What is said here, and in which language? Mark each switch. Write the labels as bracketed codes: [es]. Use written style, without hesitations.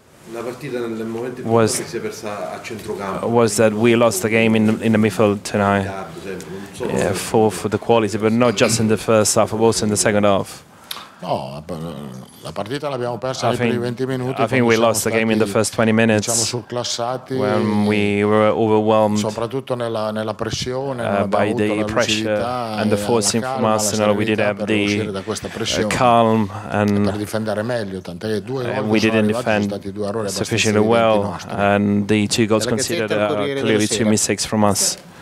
[it] la partita nel momento in cui si è persa a centrocampo. [en] Was that we lost the game in the midfield tonight. Yeah, for the quality, but not just in the first half, but also in the second half. [it] No, la partita l'abbiamo persa nei primi 20 minuti. [en] I think we lost the game in the first 20 minutes. [it] Siamo surclassati. [en] When we were overwhelmed. [it] Soprattutto nella pressione, [en] by the pressure and the forcing from Arsenal, we didn't have the calm and [it] per difendere meglio, tant'è che due gol sono arrivati, sono stati due errori [en] sufficiently well, and the two goals considered are clearly two mistakes from us.